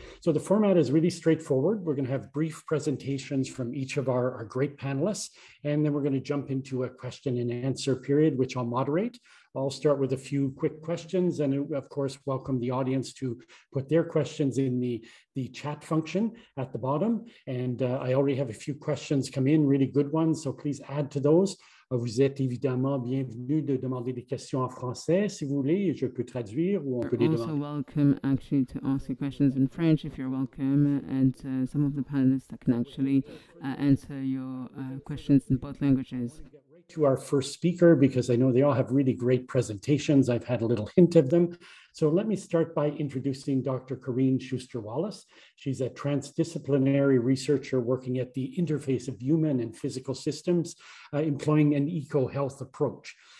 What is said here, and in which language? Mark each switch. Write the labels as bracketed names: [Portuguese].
[English] So the format is really straightforward. We're going to have brief presentations from each of our great panelists, and then we're going to jump into a question and answer period, which I'll moderate. I'll start with a few quick questions and of course, welcome the audience to put their questions in the chat function at the bottom. And I already have a few questions come in, really good ones. So please add to those. [French] Vous êtes évidemment bienvenue de demander des questions en français, si vous voulez, je peux traduire ou on peut les demander. [English] You're also welcome actually to ask your questions in French if you're welcome. And some of the panelists that can actually answer your questions in both languages. To our first speaker, because I know they all have really great presentations. I've had a little hint of them. So let me start by introducing Dr. Corinne Schuster-Wallace. She's a transdisciplinary researcher working at the interface of human and physical systems, employing an eco-health approach.